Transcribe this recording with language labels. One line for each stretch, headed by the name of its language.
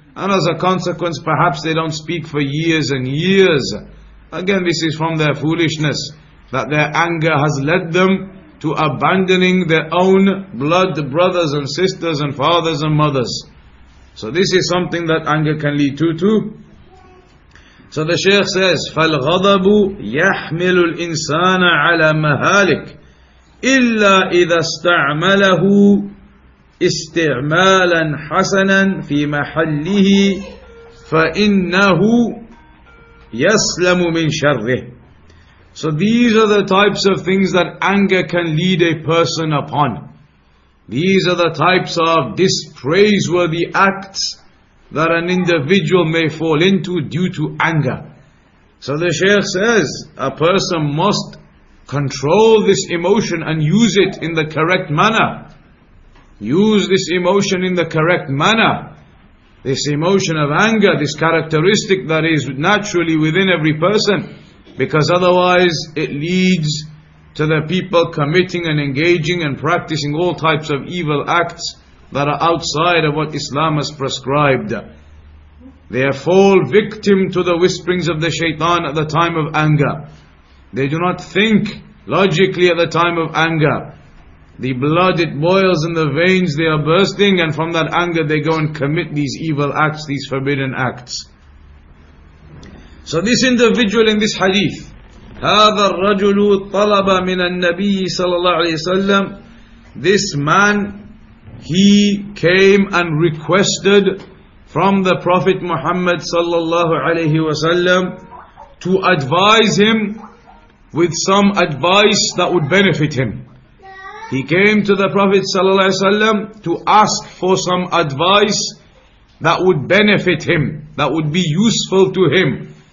English: And as a consequence, perhaps they don't speak for years and years. Again, this is from their foolishness, that their anger has led them to abandoning their own blood brothers and sisters and fathers and mothers. So this is something that anger can lead to too. So the Shaykh says,
Arabic: فَالْغَضَبُ يَحْمِلُ الْإِنسَانَ عَلَى مَهَالِكِ إِلَّا إِذَا اسْتَعْمَلَهُ إِسْتِعْمَالًا حَسَنًا فِي مَحَلِّهِ فَإِنَّهُ يَسْلَمُ مِنْ شَرِّهِ.
English: So these are the types of things that anger can lead a person upon. These are the types of dispraiseworthy acts that an individual may fall into due to anger. So the Shaykh says, a person must control this emotion and use it in the correct manner. Use this emotion in the correct manner. This emotion of anger, this characteristic that is naturally within every person. Because otherwise it leads to the people committing and engaging and practicing all types of evil acts that are outside of what Islam has prescribed. They fall victim to the whisperings of the shaitan at the time of anger. They do not think logically at the time of anger. The blood, it boils in the veins, they are bursting, and from that anger they go and commit these evil acts, these forbidden acts. So this individual in this hadith,
Arabic: هَذَا الرَّجُلُ طَلَبَ مِنَ النَّبِيِّ صَلَى اللَّهُ عَلَيْهِ وَسَلَّمُ.
English: This man, he came and requested from the Prophet Muhammad sallallahu alayhi wasallam to advise him with some advice that would benefit him. He came to the Prophet sallallahu alayhi wasallam to ask for some advice that would benefit him, that would be useful to him.